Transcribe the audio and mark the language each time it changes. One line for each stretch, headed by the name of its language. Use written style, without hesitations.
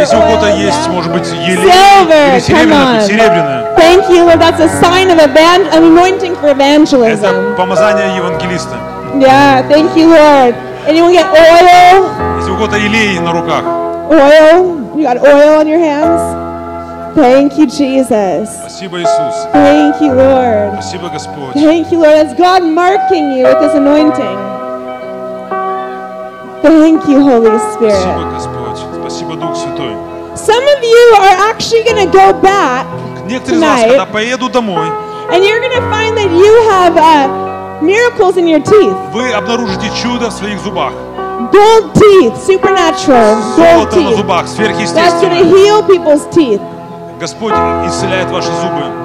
Russian: Если у кого-то есть, может быть, серебряная.
English: Thank you, Lord. That's a sign of an anointing for evangelism.
Russian: Это помазание евангелиста.
English: Yeah, thank you, Lord. Anyone get oil?
Russian: Если у кого-то елей на руках.
English: Oil? You got oil on your hands? Thank you, Jesus.
Russian: Спасибо, Иисус.
English: Thank you, Lord.
Russian: Спасибо, Господь.
English: Thank you, Lord. That's God marking you with His anointing. Thank you, Holy Spirit.
Russian: Спасибо, Господь. Спасибо, Дух Святой.
English: Some of you are actually going to go back.
Russian: Некоторые из вас, когда поеду домой,
English: and you're going to find that you have miracles in your teeth.
Russian: Вы обнаружите чудо в своих зубах.
English: Gold teeth, supernatural. Gold teeth.
Russian: На зубах, сверхъестественное.
English: That's going to heal people's teeth.
Russian: Господь исцеляет ваши зубы.